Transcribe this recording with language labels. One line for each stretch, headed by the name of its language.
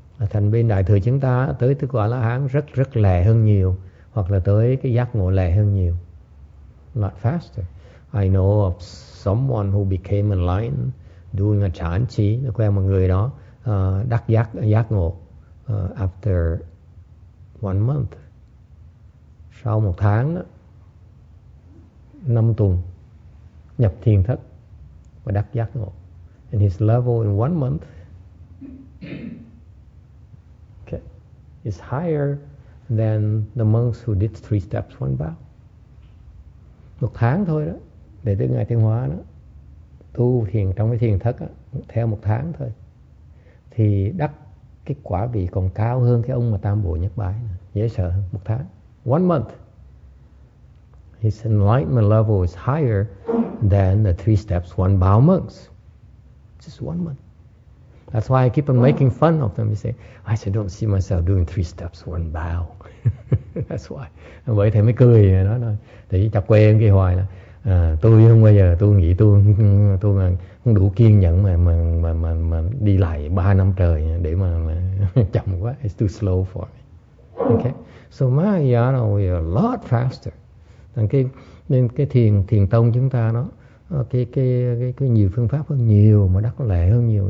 Vietnamese: Thành bên đại thừa chúng ta tới tứ quả la hán rất rất lẹ hơn nhiều, hoặc là tới cái giác ngộ lẹ hơn nhiều.
English: Lot faster. I know of someone who became enlightened doing a chan chi.
Vietnamese: Nó quen một người đó đắc giác ngộ
English: after 1 month.
Vietnamese: Sau 1 tháng đó, 5 tuần nhập thiền thất và đắc giác ngộ.
English: And his level in 1 month, okay, is higher than the monks who did 3 steps one bow.
Vietnamese: Một tháng thôi đó, để tới ngày Thiên Hóa đó, tu thiền trong cái thiền thất đó, theo 1 tháng thôi, thì đắc cái quả vị còn cao hơn cái ông mà tam bộ nhất bái, dễ sợ hơn. 1 tháng,
English: 1 month, his enlightenment level is higher than the 3 steps one bow monks. Just 1 month. That's why I keep on making fun of them. You say, I said, don't see myself doing 3 steps one bow. That's why.
Vietnamese: Bởi thầy mới cười rồi nói thôi. Thầy chọc quê em kia hoài là tôi không bao giờ tôi nghĩ tôi không đủ kiên nhẫn mà đi lại 3 năm trời để mà chậm quá.
English: It's too slow for me. Okay. So Mahayana we are a lot faster.
Vietnamese: Nên cái thiền tông chúng ta nó cái nhiều phương pháp hơn nhiều mà đắc lệ hơn nhiều.